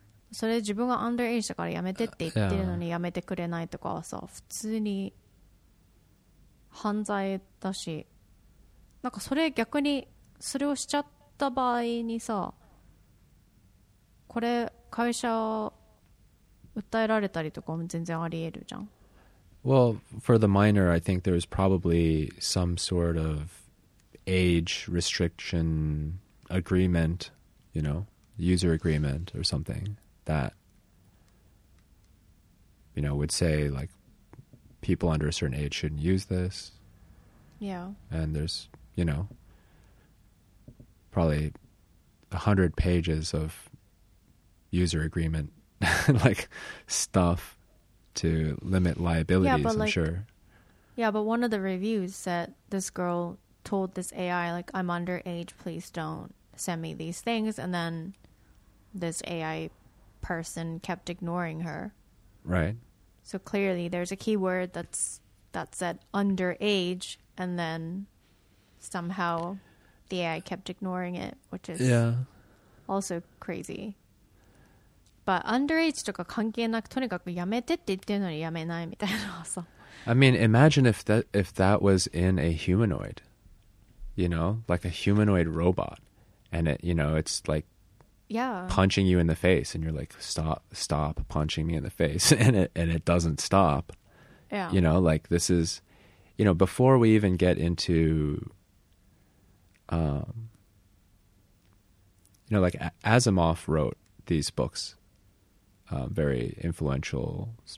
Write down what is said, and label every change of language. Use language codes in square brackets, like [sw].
[ja] それ自分がアンダーエイジだからやめてって言ってるのにやめてくれないとかはさ、普通に犯罪だし、なんかそれ逆にそれをしちゃった場合にさ、これ会社を訴えられたりとかも全然ありえるじゃん。 [en] Well, for the minor, I think there's probably some sort of age restriction agreement, you know, user agreement or something. That, you know, would say like people under a certain age shouldn't use this. Yeah. And there's, you know, probably 100 pages of user agreement like stuff to limit liabilities, yeah, but I'm like, sure. Yeah, but one of the reviews said this girl told this AI like, I'm underage, please don't send me these things. And then this AI... person kept ignoring her. Right. So clearly there's a keyword that's that said underage and then somehow the AI kept ignoring it, which is yeah. also crazy. [ja] ぱアンダーエイジとか関係なくとにかくやめてって言ってるのにやめないみたいなさ。 [en] I mean, imagine if that was in a humanoid, you know, like a humanoid robot, and it, you know, it's like, yeah, punching you in the face, and you're like, stop punching me in the face, and it doesn't stop. Yeah, you know, like this is, you know, before we even get into, you know, like Asimov wrote these books, very influential,